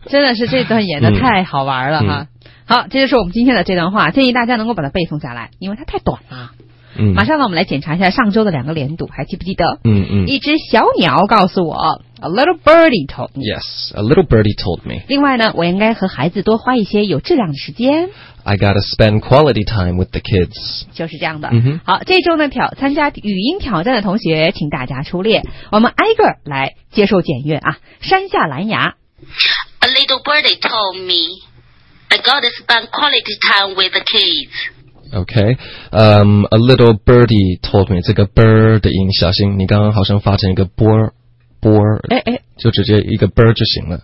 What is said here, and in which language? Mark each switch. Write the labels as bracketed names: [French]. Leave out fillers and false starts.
[Chinese] 真的是这段演的太好玩了哈。好，这就是我们今天的这段话，建议大家能够把它背诵下来，因为它太短了。马上呢，我们来检查一下上周的两个连读，还记不记得？一只小鸟告诉我 ， [English] A little birdie told me. Yes, a little birdie told me. [Chinese] 另外呢，我应该和孩子多花一些有质量的时间。 [English] I gotta spend quality time with the kids. [Chinese] 就是这样的。好，这周呢，参加语音挑战的同学，请大家出列，我们挨个来接受检阅啊。山下蓝牙 [English] ，A little birdie told me, I gotta spend quality time with the kids. Okay, a little birdie told me, [Chinese] 这个 bird 的音小心，你刚刚好像发成一个波波，就直接一个 bird 就行了。